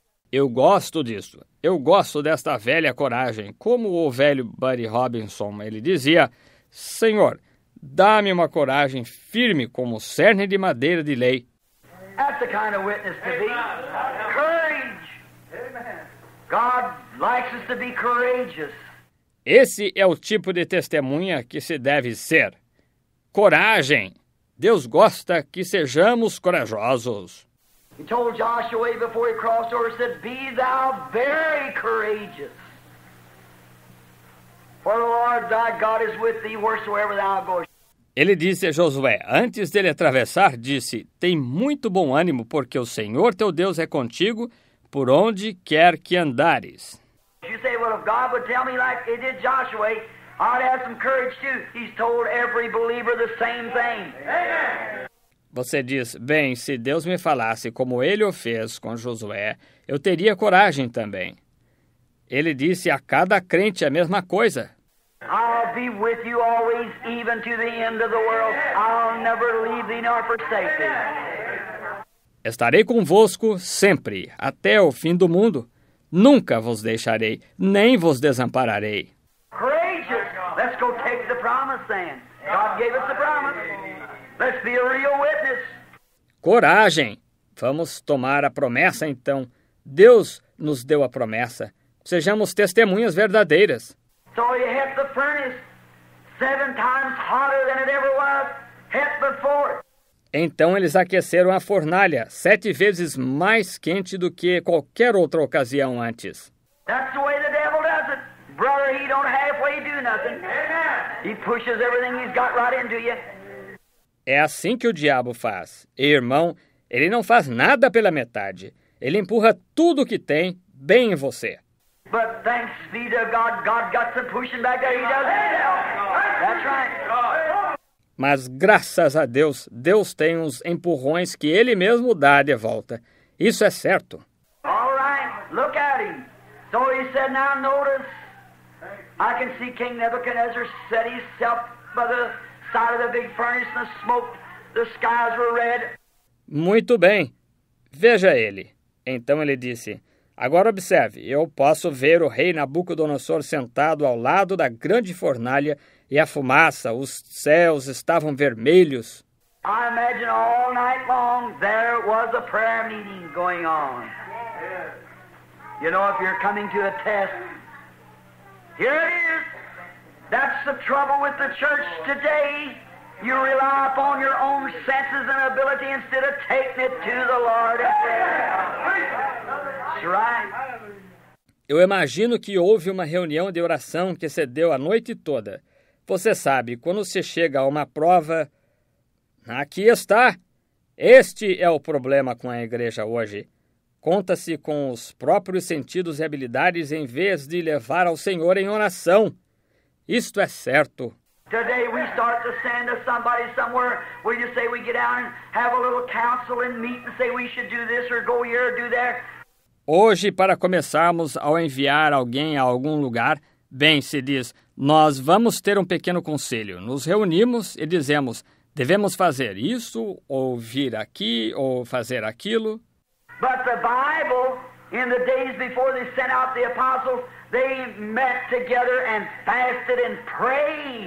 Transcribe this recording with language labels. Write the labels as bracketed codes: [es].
[pt] Eu gosto disso. Eu gosto desta velha coragem. Como o velho Buddy Robinson, ele dizia, Senhor, dá-me uma coragem firme como cerne de madeira de lei. [en] That's the kind of witness to be. Courage. God likes us to be courageous. [pt] Esse é o tipo de testemunha que se deve ser. Coragem. Deus gosta que sejamos corajosos. [en] He told Joshua before he crossed over, he said, "Be thou very courageous. For the Lord thy God is with thee wheresoever thou goest." [pt] Ele disse a Josué, antes dele atravessar, disse, "Tem muito bom ânimo, porque o Senhor teu Deus é contigo por onde quer que andares." [en] You say, well, if God would tell me like it did Joshua, I'd have some courage too. He's told every believer the same thing. Amen. [pt] Você diz, bem, se Deus me falasse como ele o fez com Josué, eu teria coragem também. Ele disse a cada crente a mesma coisa. [en] I'll be with you always, even to the end of the world. I'll never leave thee nor forsake thee. [pt] Estarei convosco sempre, até o fim do mundo. Nunca vos deixarei, nem vos desampararei. [en] Courageous. Let's go take the promise then. God gave us the promise. Let's be a real witness. [pt] Coragem. Vamos tomar a promessa então. Deus nos deu a promessa. Sejamos testemunhas verdadeiras. [en] So he hit the furnace seven times hotter than it ever was hit before. [pt] Então eles aqueceram a fornalha sete vezes mais quente do que qualquer outra ocasião antes. [en] That's the way the devil does it. Brother, he don't halfway do nothing. Amen. He pushes everything he's got right into you. [pt] É assim que o diabo faz. E, irmão, ele não faz nada pela metade. Ele empurra tudo o que tem bem em você. [en] But thanks be to God, God got some pushing back there. He does it. That's right. [pt] Mas graças a Deus, Deus tem uns empurrões que Ele mesmo dá de volta. Isso é certo. [en] All right, look at him. So he said, now notice, I can see King Nebuchadnezzar set himself by the side of the big furnace and the smoke, the skies were red. [pt] Muito bem, veja ele. Então ele disse, agora observe, eu posso ver o rei Nabucodonosor sentado ao lado da grande fornalha e a fumaça, os céus estavam vermelhos. [en] I imagine all night long there was a prayer meeting going on. You know, if you're coming to a test, here it is. That's the trouble with the church today. You rely upon your own senses and ability instead of taking it to the Lord. That's right. [pt] Eu imagino que houve uma reunião de oração que se deu a noite toda. Você sabe, quando se chega a uma prova, aqui está. Este é o problema com a igreja hoje. Conta-se com os próprios sentidos e habilidades em vez de levar ao Senhor em oração. Isto é certo. [en] Today we start to send to somebody somewhere where you say we get out and have a little council and meet and say we should do this or go here or do there. [pt] Hoje, para começarmos ao enviar alguém a algum lugar, bem, se diz, nós vamos ter um pequeno conselho. Nos reunimos e dizemos, devemos fazer isso, ou vir aqui, ou fazer aquilo. [en] But the Bible, in the days before they sent out the apostles, they met together and fasted and prayed.